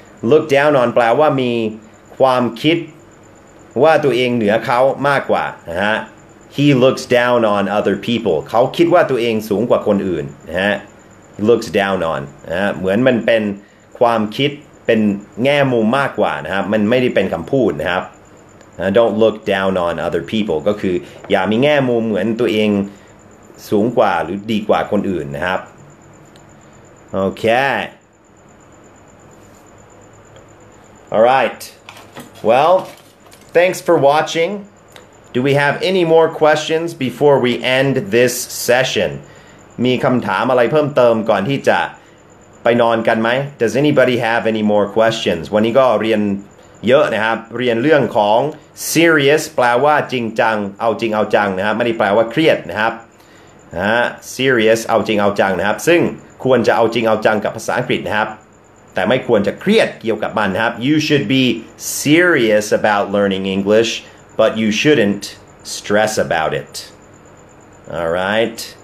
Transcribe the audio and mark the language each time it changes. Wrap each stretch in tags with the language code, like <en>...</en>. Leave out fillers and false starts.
<th>look down on แปลว่ามีความคิดว่าตัวเองเหนือเขามากกว่านะฮะ</th> <en>he looks down on other people</en> <th>เขาคิดว่าตัวเองสูงกว่าคนอื่นนะฮะ looks down on นะฮะเหมือนมันเป็นความคิดเป็นแง่มุมมากกว่านะครับมันไม่ได้เป็นคำพูดนะครับ</th> <en>don't look down on other people</en> <th>ก็คืออย่ามีแง่มุมเหมือนตัวเองสูงกว่าหรือดีกว่าคนอื่นนะครับโอเคAll right.</th> <en>Well, thanks for watching. Do we have any more questions before we end this session?</en> <th>มีคำถามอะไรเพิ่มเติมก่อนที่จะไปนอนกันไหม?</th> <en>Does anybody have any more questions?</en> <th>วันนี้ก็เรียน เยอะนะครับเรียนเรื่องของ serious แปลว่าจริงจังเอาจริงเอาจังนะครับไม่ได้แปลว่าเครียดนะครับนะ serious เอาจริงเอาจังนะครับซึ่งควรจะเอาจริงเอาจังกับภาษาอังกฤษนะครับแต่ไม่ควรจะเครียดเกี่ยวกับมันนะครับ</th> <en>you should be serious about learning English but you shouldn't stress about it all right</en>